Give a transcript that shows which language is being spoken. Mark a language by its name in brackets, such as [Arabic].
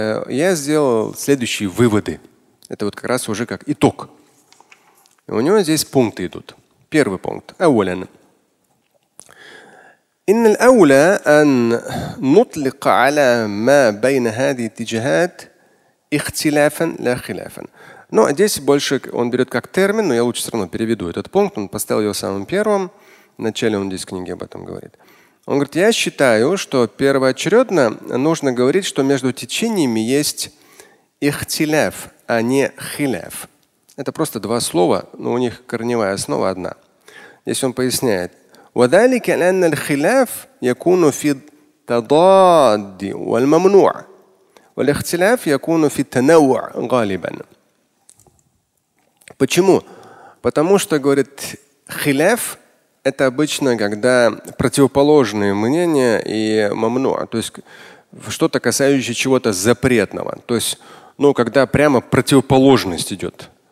[Russian] Я сделал следующие выводы. Это вот как раз уже как итог. И у него здесь пункты идут. Первый пункт. Аулян. [Arabic] إن الأولى أن نطلق على ما بين هذه الاتجاهات اختلافا لا خلافا. [Russian] Но здесь больше он берет как термин, но я лучше все равно переведу этот пункт. Он поставил его самым первым. В начале он здесь в книге об этом говорит. Он говорит, я считаю, что первоочередно нужно говорить, что между течениями есть ихтиляф, а не хиляф. Это просто два слова, но у них корневая основа одна. Здесь он поясняет. [Arabic] وذلك لأن الخلاف يكون في التضاد والممنوع والاختلاف يكون في التنوع غالبا. [Russian] Почему? Потому что, говорит, хиляф – это обычно, когда противоположные мнения и мамну, то есть что-то, касающееся чего-то запретного. То есть, ну, когда прямо противоположность идет.